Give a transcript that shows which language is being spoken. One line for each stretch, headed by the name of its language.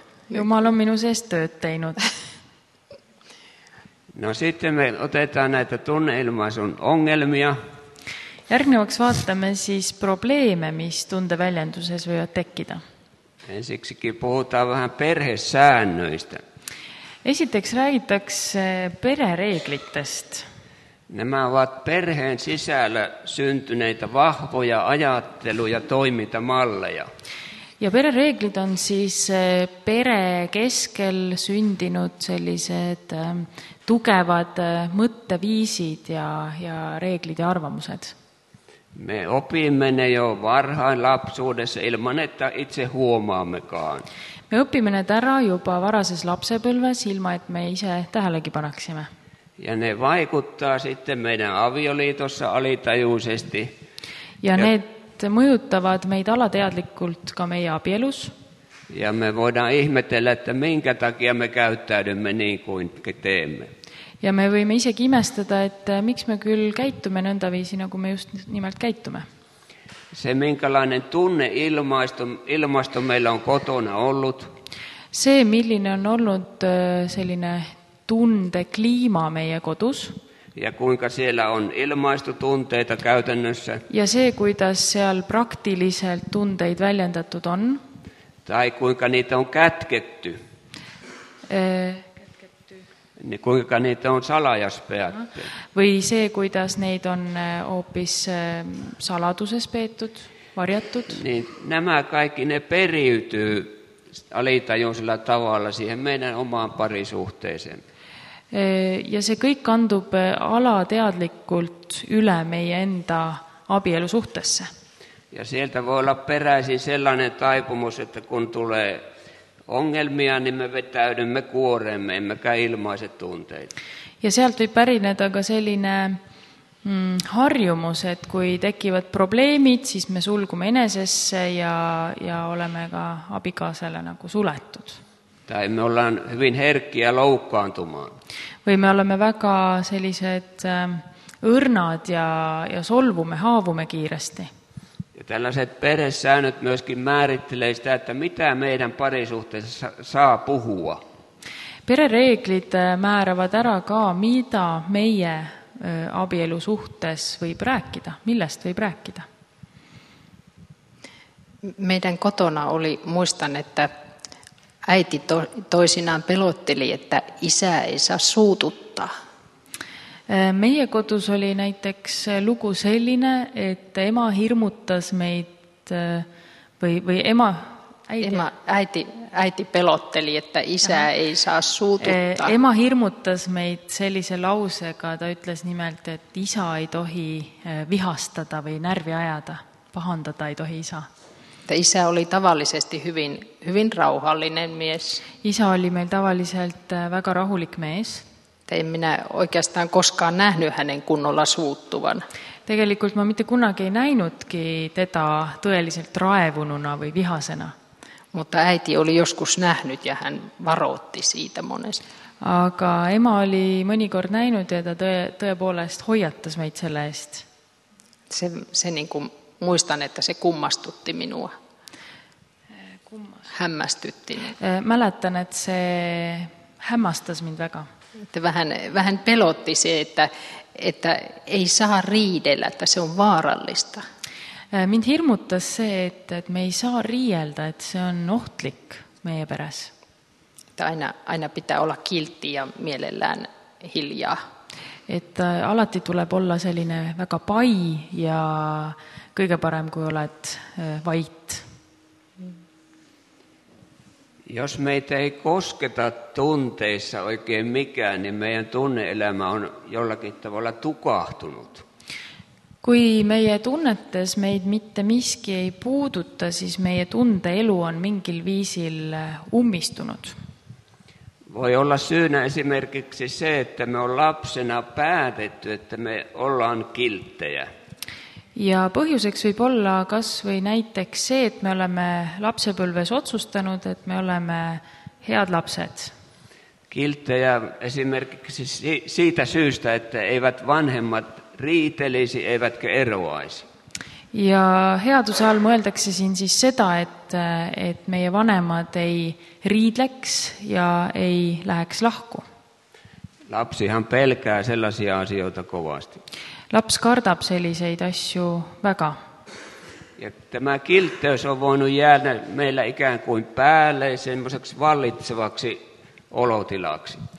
Estonian: Jumala on minu seest tööd teinud.
Finnish: No sitten me otetaan näitä tunneilmaisun ongelmia.
Estonian: Järgnevaks vaatame siis probleeme, mis tundeväljenduses võivad tekkida.
Finnish: Ensiksikin puhutaan vähän perhesäännöistä.
Estonian: Esiteks räägitakse perereeglitest.
Finnish: Nämä ovat perheen sisällä syntyneitä vahvoja ajattelu- ja toimintamalleja.
Estonian: Ja perereeglid on siis pere keskel sündinud sellised tugevad mõtteviisid ja reeglid ja arvamused.
Finnish: Me opimme ne jo varhain lapsuudessa ilman, että itse huomaammekaan.
Estonian: Me õpime need ära juba varases lapsepõlves ilma, et me ise tähelegi panaksime.
Finnish: Ja ne vaikuttaa sitten meidän avioliitossa alitajuisesti.
Estonian: Ja need mõjutavad meid alateadlikult ka meie abielus.
Finnish: Ja me voidaan ihmetellä, että minkä takia me käyttäydymme niin kuin teemme.
Estonian: Ja me võime isegi imestada, et miks me küll käitume nõnda viisi, nagu me just nimelt käitume.
Finnish: See, minkälainen tunne ilmaston meillä on kotona ollut.
Estonian: See, milline on ollut selline tunde kliima meie kodus.
Finnish: Ja kuinka siellä on ilmaistu tunteita käytännössä.
Estonian: Ja see, kuidas seal praktiliselt tundeid väljendatud on.
Finnish: Tai kuinka niitä on kätketty. Niin kuinka niitä on
Estonian: salajas peetty. Või see, kuidas neid on oopis saladuses peetud, varjatud.
Finnish: Niin nämä kaikki ne periytyy alitajuisella tavalla siihen meidän omaan parisuhteeseen.
Estonian: Ja see kõik kandub alateadlikult üle meie enda abielusuhtesse.
Finnish: Ja sieltä voi olla peräisin sellainen taipumus, että kun tulee ongelmia, niin me vetäydymme kuoreemme, emmekä ilmaise tunteita.
Estonian: Ja sieltä võib pärineda ka selline harjumus, et kui tekivad probleemid, siis me sulgume enesesse ja oleme ka abikaasele nagu suletud.
Finnish: Tai me ollaan hyvin herkkiä loukkaantumaan.
Estonian: Või me oleme väga sellised õrnad ja solvume, haavume kiiresti.
Finnish: Ja tällaiset peresäännöt myöskin määrittelee sitä, että mitä meidän parisuhteessa saa puhua.
Estonian: Perereeglid määrävad ära ka, mida meie abielusuhtes võib rääkida, millest võib rääkida.
Finnish: Meidän kotona oli, muistan, että äiti toisinaan pelotteli, että isä ei saa suututtaa.
Estonian: Meie kodus oli näiteks lugu selline, et ema hirmutas meid või ema
Finnish: äiti pelotteli, että isä ei saa suututtaa.
Estonian: Ema hirmutas meid sellise lausega, ta ütles nimelt, et isa ei tohi vihastada või närvi ajada, pahandada ei tohi isa.
Finnish: Isä oli tavallisesti hyvin, hyvin rauhallinen mies.
Estonian: Isä oli meil tavaliselt väga rahulik mees.
Finnish: En minä oikeastaan koskaan nähnyt hänen kunnolla suuttuvan.
Estonian: Tegelikult ma mitte kunnagi ei näinudki teda tõeliselt raevununa või vihasena.
Finnish: Mutta äiti oli joskus nähnyt ja hän varoitti siitä monesti.
Estonian: Aga ema oli mõnikord näinud ja ta tõepoolest hoiatas meid selle eest.
Finnish: Se niin kuin muistan, että se kummastutti minua. Hämmästytti.
Estonian: Mäletan, että se hämmastas mind väga.
Finnish: Vähän pelotti se, että ei saa riidellä, että se on vaarallista.
Estonian: Mind hirmutas se, että me ei saa riieltä, että se on ohtlik meie peres.
Finnish: Aina pitää olla kiltti ja mielellään hiljaa.
Estonian: Että alati tuleb olla selline väga pai ja kõige parem, kui oled vait.
Finnish: Jos meitä ei kosketa tunteissa oikein mikään, niin meidän tunne-elämä on jollakin tavalla tukahtunut.
Estonian: Kui meie tunnetes meid mitte miski ei puuduta, siis meie tunde-elu on mingil viisil ummistunut.
Finnish: Voi olla syynä esimerkiksi se, että me on lapsena päätetty, että me ollaan kilttejä.
Estonian: Ja põhjuseks võib olla kas või näiteks see, et me oleme lapsepõlves otsustanud, et me oleme head lapsed.
Finnish: Kilttejä esimerkiksi siitä syystä, että eivät vanhemmat riitelisi, eivätkö eroaisi.
Estonian: Ja headuse all mõeldakse siin siis seda, et meie vanemad ei riidleks ja ei läheks lahku.
Finnish: Lapsihan pelkää sellaisia asioita kovasti.
Estonian: Laps kardab selliseid asju väga.
Finnish: Ja tämä kiltteys on voinut jäädä meillä ikään kuin päälle semmoiseksi vallitsevaksi olotilaksi.